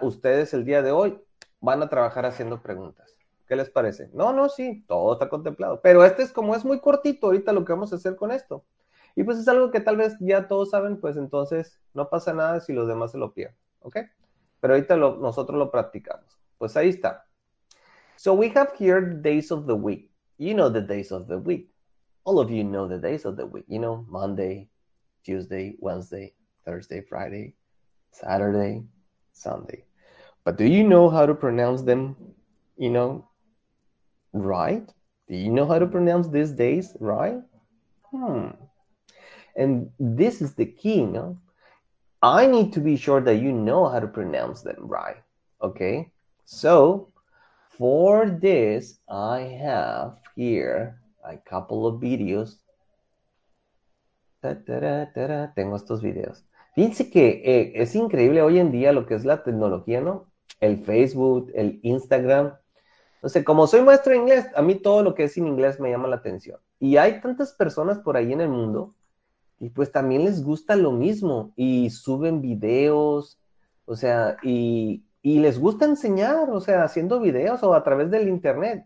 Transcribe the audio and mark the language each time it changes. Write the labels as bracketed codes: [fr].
[es] Ustedes el día de hoy van a trabajar haciendo preguntas. ¿Qué les parece? No, no, sí, todo está contemplado, pero este es como es muy cortito ahorita lo que vamos a hacer con esto. Y pues es algo que tal vez ya todos saben, pues entonces no pasa nada si los demás se lo pierden, ¿ok? Pero ahorita nosotros lo practicamos. Pues ahí está. [en] So we have here days of the week. You know the days of the week. All of you know the days of the week. You know, Monday, Tuesday, Wednesday, Thursday, Friday, Saturday, Sunday. But do you know how to pronounce them, you know, right? Do you know how to pronounce these days right? And this is the key, no? I need to be sure that you know how to pronounce them right. Okay? So, for this, I have here a couple of videos. [es] Ta-ta-ra-ta-ra. Tengo estos videos. Fíjense que es increíble hoy en día lo que es la tecnología, ¿no? El Facebook, el Instagram. No sé, como soy maestro de inglés, a mí todo lo que es en inglés me llama la atención. Y hay tantas personas por ahí en el mundo. Y pues también les gusta lo mismo y suben videos, o sea, y les gusta enseñar, o sea, haciendo videos o a través del internet.